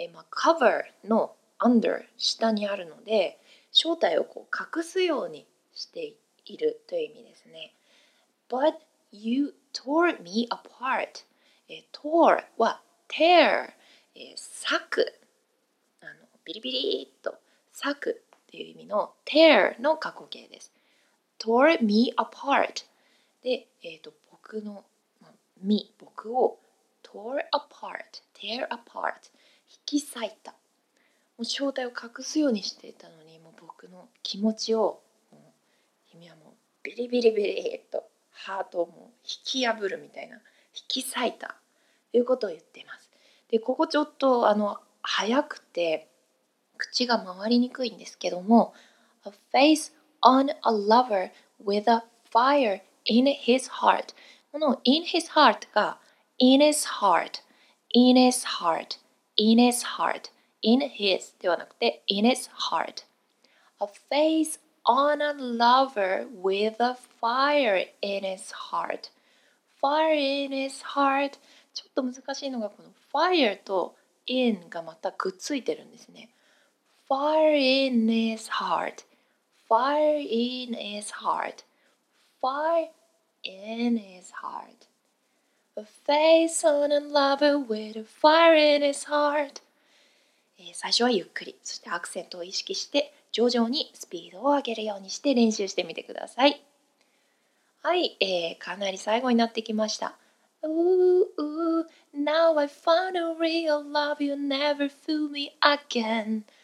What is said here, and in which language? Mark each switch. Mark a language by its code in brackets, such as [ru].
[ja] cover の under 下にあるので正体をこう隠すようにしているという意味ですね。 [en] But you tore me apart、 [ja] tore は tear、裂く、ビリビリっと裂くという意味の tear の過去形です。 [en] tore me apart [ja] で、僕の、まあ、me 僕を tore apart tear apart引き裂いた。もう正体を隠すようにしていたのに、もう僕の気持ちを、もう君はもうビリビリビリッとハートをもう引き破るみたいな、引き裂いたということを言っています。で、ここちょっと早くて口が回りにくいんですけども、 [en] A face on a lover with a fire in his heart。この in his heart が in his heart、in his heart。 In his heart. In his ではなくて In his heart. A face on a lover with a fire in his heart. Fire in his heart. [ja] ちょっと難しいのがこの fire と in がまたくっついてるんですね。 [en] Fire in his heart. Fire in his heart. Fire in his heart. A face on a lover with a fire in his heart. [ja] 最初はゆっくり、そしてアクセントを意識して、徐々にスピードを上げるようにして練習してみてください。はい、かなり最後になってきました。 [en] Ooh, ooh, now I found a real love you never fool me again.